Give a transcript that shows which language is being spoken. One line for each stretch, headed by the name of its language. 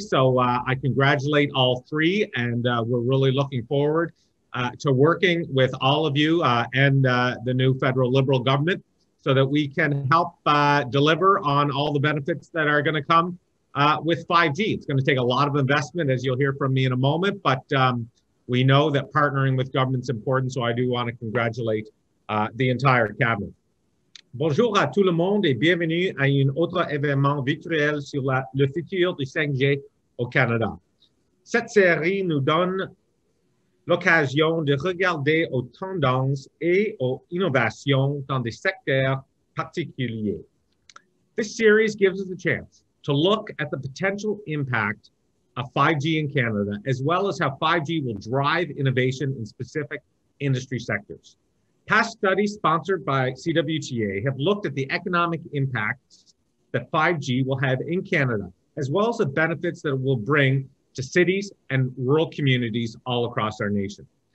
English: So I congratulate all three, and we're really looking forward to working with all of you and the new federal Liberal government so that we can help deliver on all the benefits that are going to come with 5G. It's going to take a lot of investment, as you'll hear from me in a moment, but we know that partnering with government's important, so I do want to congratulate the entire cabinet.
French: Bonjour à tout le monde et bienvenue à un autre événement virtuel sur le futur du 5G au Canada. Cette série nous donne l'occasion de regarder aux tendances et aux innovations dans des secteurs particuliers.
English: This series gives us a chance to look at the potential impact of 5G in Canada, as well as how 5G will drive innovation in specific industry sectors. Past studies sponsored by CWTA have looked at the economic impacts that 5G will have in Canada, as well as the benefits that it will bring to cities and rural communities all across our nation.